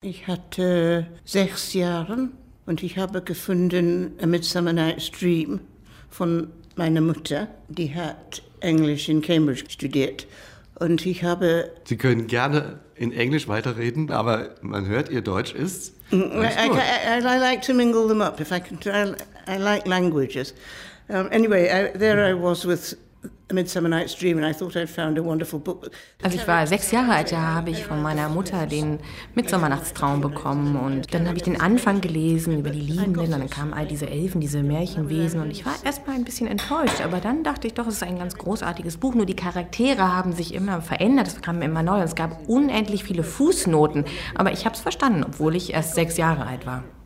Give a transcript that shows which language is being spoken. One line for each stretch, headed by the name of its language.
German: Ich hatte 6 Jahre und ich habe gefunden A Midsummer Night's Dream von meiner Mutter. Die hat Englisch in Cambridge studiert und ich habe... Sie können gerne in Englisch weiterreden, aber man hört, ihr Deutsch ist...
English: I like to mingle them up. If I can, I like languages. Anyway, I was with A Midsummer Night's Dream and I thought I'd found a wonderful book.
German: Als ich war 6 Jahre alt, da habe ich von meiner Mutter den Mitsommernachtstraum bekommen und dann habe ich den Anfang gelesen über die Liebenden und dann kamen all diese Elfen, diese Märchenwesen und ich war erstmal ein bisschen enttäuscht, aber dann dachte ich doch, es ist ein ganz großartiges Buch, nur die Charaktere haben sich immer verändert, es kamen immer neu und es gab unendlich viele Fußnoten, aber ich habe es verstanden, obwohl ich erst 6 Jahre alt war.